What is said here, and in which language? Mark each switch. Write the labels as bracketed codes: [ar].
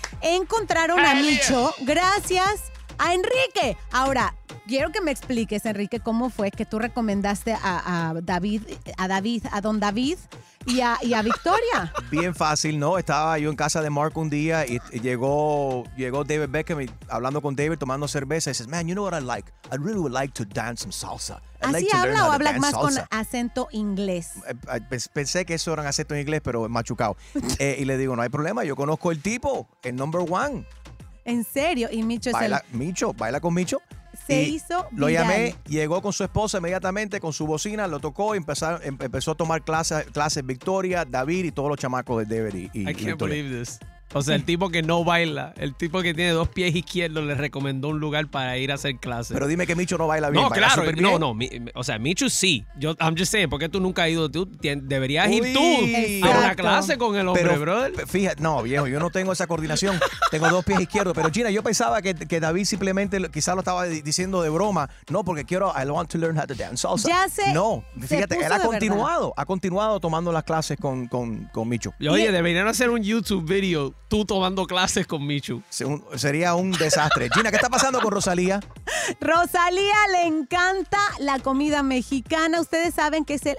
[es] Encontraron a Micho gracias a Enrique. Ahora... Quiero que me expliques, Enrique, cómo fue que tú recomendaste a Don David y a Victoria. Bien fácil, ¿no? Estaba yo en casa de Mark un día y llegó David Beckham hablando con David, tomando cerveza. Y dices, [en] man, you know what I like? I really would like to dance some salsa. [es] ¿Así habla o habla más con acento inglés? Pensé que eso era un acento en inglés, pero machucado. Y le digo, no hay problema, yo conozco el tipo, el [en] number one. [es] ¿En serio? Y Micho baila, es el... Micho, baila con Micho. Se hizo viral. Lo llamé, llegó con su esposa inmediatamente, con su bocina, lo tocó y empezó a tomar clases Victoria, David y todos los chamacos de David y [en] I can't believe this. [es] O sea, el tipo que no baila, el tipo que tiene dos pies izquierdos, le recomendó un lugar para ir a hacer clases. Pero dime que Micho no baila bien. No, baila claro. Bien. No. O sea, Micho sí. Yo, [en] I'm just saying, [es] ¿por qué tú nunca has ido? Deberías ir tú a una clase con el hombre, pero, brother. Fíjate, no, viejo, yo no tengo esa coordinación. Tengo dos pies izquierdos. Pero, Gina, yo pensaba que David simplemente quizás lo estaba diciendo de broma. No, porque [en] I want to learn how to dance salsa. [es] Ya sé. No, fíjate, él ha continuado tomando las clases con Micho. Y, oye, deberían hacer un YouTube video. Tú tomando clases con Michu. Sería un desastre. Gina, ¿qué está pasando con Rosalía? Rosalía le encanta la comida mexicana. Ustedes saben que es el...